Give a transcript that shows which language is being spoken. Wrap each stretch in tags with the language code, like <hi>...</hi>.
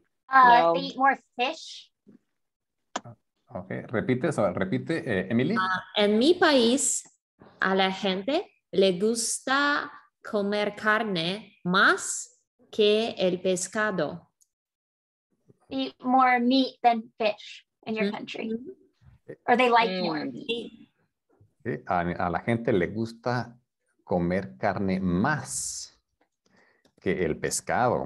<en>No. They eat more fish.</en> <es>Okay. Repite, Emily. En mi país, a la gente le gusta comer carne más que el pescado.</es> <en>Eat more meat than fish in your country. Mm-hmm. Or they like more meat.</en> <es>A la gente le gusta comer carne más que el pescado.</es>